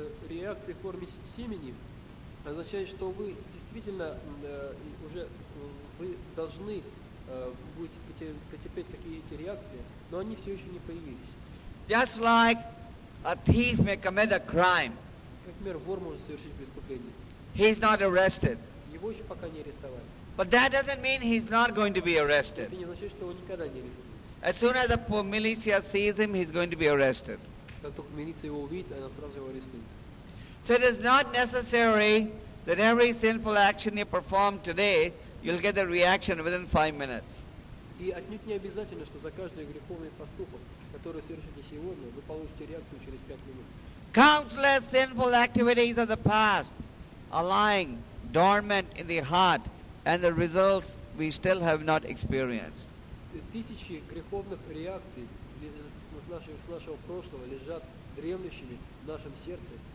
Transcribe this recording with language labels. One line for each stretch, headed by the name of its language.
Russian: Реакция в форме семени означает, что вы действительно уже вы должны будете потерпеть какие-то реакции, но они все еще не появились.
English: Just like a thief may commit a crime.
Russian: Например, вор может совершить преступление.
English: He's not arrested.
Russian: Его еще пока не арестовали.
English: But that doesn't mean he's not going to be arrested.
Russian: Это не означает, что он никогда не арестован.
English: As soon as the militia sees him, he's going to be arrested.
Russian: Как только милиция его увидит, она сразу его арестует.
English: So it is not necessary that every sinful action you perform today, you'll get the reaction within 5 minutes.
Russian: И отнюдь не обязательно, что за каждый греховный поступок, который совершите сегодня, вы получите реакцию через 5 минут.
English: Countless sinful activities of the past are lying dormant in the heart, and the results we still have not experienced.
Russian: Тысячи греховных реакций с нашего прошлого лежат дремлющими в нашем сердце.